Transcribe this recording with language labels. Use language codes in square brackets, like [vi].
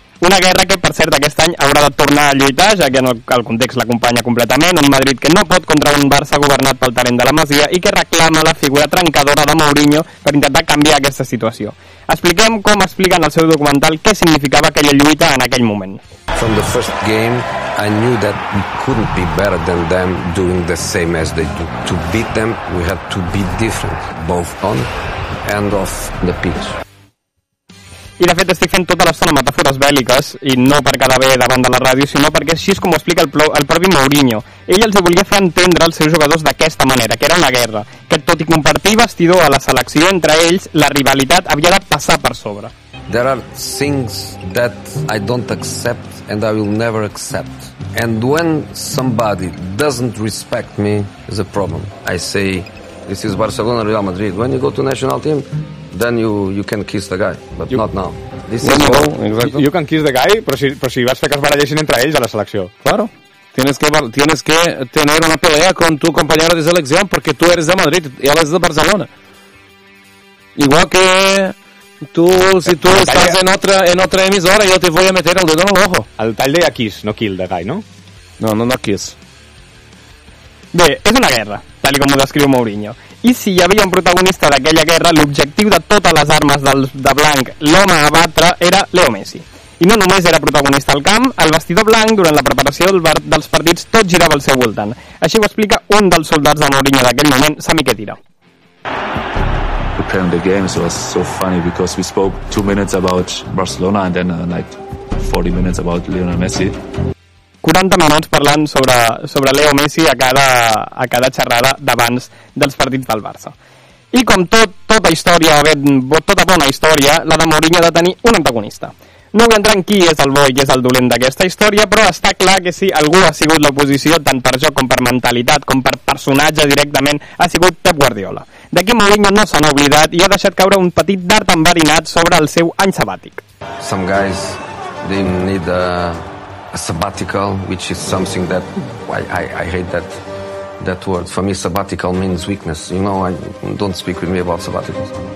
[ca] Una guerra que, per cert, aquest any haurà de tornar a lluitar, ja que el context l'acompanya completament, un Madrid que no pot contra un Barça governat pel talent de la Masia i que reclama la figura trencadora de Mourinho per intentar canviar aquesta situació. Expliquem com explica en el seu documental què significava aquella lluita en aquell moment. [en] From the first game, I knew that we couldn't be better than them doing the same as they do. To beat them, we had to be different, both on and off the pitch. [ca] I de fet estic fent tota l'estona metàfores bèl·liques, i no per quedar bé davant de la ràdio, sinó perquè així és com ho explica el propi Mourinho. Ell els volia fer entendre als seus jugadors d'aquesta manera, que era una guerra, que tot i compartir vestidor a la selecció entre ells, la rivalitat havia de passar per sobre. [en] There are things that I don't accept and I will never accept. And when somebody doesn't respect me, is a problem. I say, this is Barcelona, Real Madrid. When you go to national team, then you can kiss the guy, but you, not now. This is all, exactly. You can kiss the guy, [ca] però si vas fer que es barallessin entre ells a la selecció. [es] Claro. Tienes que tener una pelea con tu compañero de selección porque tú eres de Madrid y él es de Barcelona. Igual que tú, si tú estás en otra emisora, yo te voy a meter el dedo en el ojo. [ca] El tall deia kiss, no [en] kill the guy, [ca] no? [en] No kiss. [ca] Bé, és una guerra, tal com ho descriu Mourinho. I si hi havia un protagonista d'aquella guerra, l'objectiu de totes les armes de blanc, l'home a batre, era Leo Messi. I no només era protagonista al camp, el vestidor blanc, durant la preparació dels partits, tot girava al seu voltant. Així ho explica un dels soldats de Mourinho d'aquell moment, Sami Khedira. [en] Preparing the games was so funny because we spoke 2 minutes about Barcelona and then like 40 minutes about Lionel Messi. [ca] 40 minuts parlant sobre Leo Messi a cada xerrada d'abans dels partits del Barça. I com tota història, tota bona història, la de Mourinho ha de tenir un antagonista. No vull entrar en qui és el bo i qui és el dolent d'aquesta història, però està clar que si algú ha sigut l'oposició, tant per joc com per mentalitat, com per personatge directament, ha sigut Pep Guardiola. D'aquí Mourinho no se n'ha oblidat i ha deixat caure un petit dard enverinat sobre el seu any sabàtic. [en] Some guys didn't need a sabbatical, which is something that I hate that word. For me, sabbatical means weakness. You know, I don't speak with me about sabbaticals.